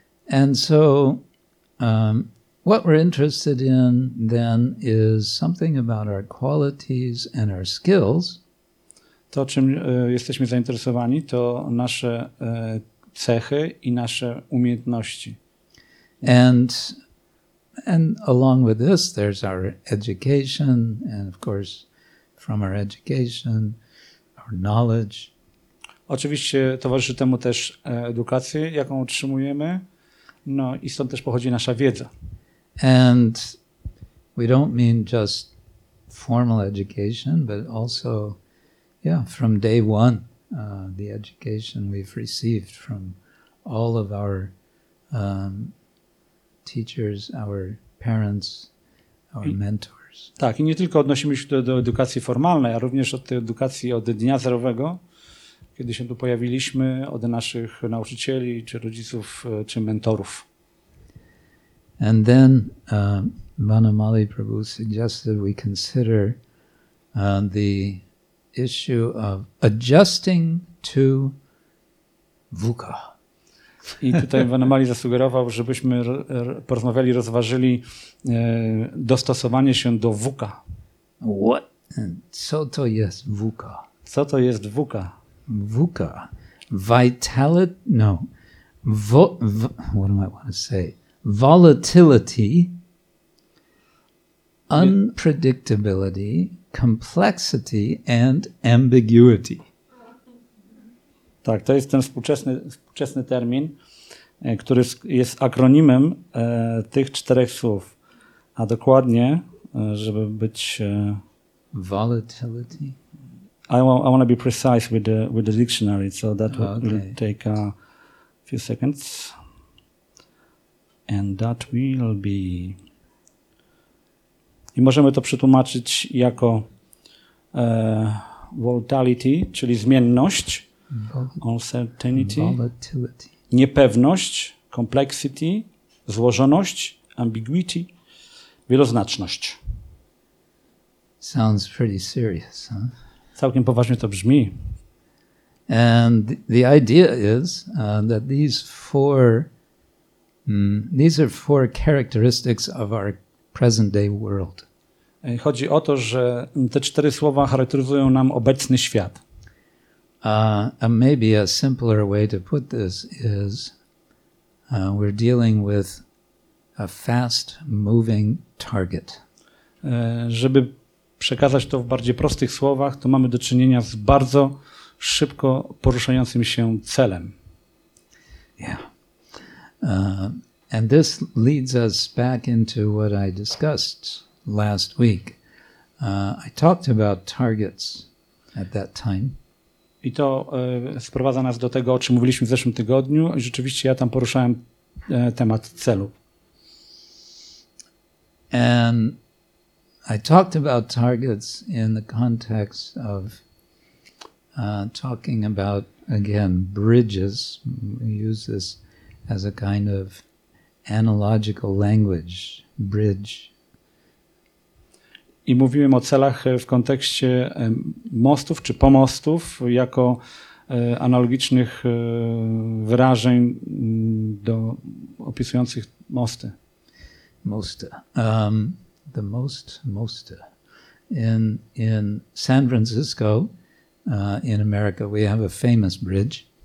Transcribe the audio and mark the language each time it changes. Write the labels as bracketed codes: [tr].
[en] And so what we're interested in then is something about our qualities and our skills. [pl] To, czym jesteśmy zainteresowani, to nasze cechy i nasze umiejętności. [en] And along with this, there's our education, and of course, from our education, our knowledge. [pl] Oczywiście towarzyszy temu też edukacja, jaką otrzymujemy, no i stąd też pochodzi nasza wiedza. [en] And we don't mean just formal education, but also, yeah, from day one, the education we've received from all of our teachers, our parents, our mentors. [pl] Tak, i nie tylko odnosimy się do edukacji formalnej, a również od tej edukacji od dnia zerowego, kiedy się tu pojawiliśmy, od naszych nauczycieli, czy rodziców, czy mentorów. [en] And then Vanamali Prabhu suggested we consider the issue of adjusting to VUCA. [pl] I tutaj Vanamali zasugerował, żebyśmy porozmawiali, rozważyli dostosowanie się do VUCA. [en] What? [pl] Co to jest VUCA? Co to jest VUCA? [en] VUCA. Vitality? No. What am I want to say? Volatility, unpredictability, complexity and ambiguity. [pl] Tak, to jest ten współczesny termin, który jest akronimem tych czterech słów. A dokładnie, żeby być... [en] Volatility? I want to be precise with the dictionary, so that will take a few seconds. And that will be. [pl] I możemy to przetłumaczyć jako volatility, czyli zmienność, uncertainty, [en] volatility, [pl] niepewność, complexity, złożoność, ambiguity, wieloznaczność. [en] Sounds pretty serious, huh? [pl] Całkiem poważnie to brzmi. [en] And the idea is that these are four characteristics of our present day world. [pl] Chodzi o to, że te cztery słowa charakteryzują nam obecny świat. [en] Maybe a simpler way to put this is we're dealing with a fast moving target. [pl] Żeby przekazać to w bardziej prostych słowach, to mamy do czynienia z bardzo szybko poruszającym się celem. [en] Yeah. And this leads us back into what I discussed last week. I talked about targets at that time. [pl] I to sprowadza nas do tego, o czym mówiliśmy w zeszłym tygodniu. I rzeczywiście ja tam poruszałem temat celu. [en] And I talked about targets in the context of talking about, again, bridges. We use this as a kind of analogical language, bridge. [pl] I mówiłem o celach w kontekście mostów czy pomostów jako analogicznych wyrażeń do opisujących mosty. [en] Most. In San Francisco, in America, we have a famous bridge.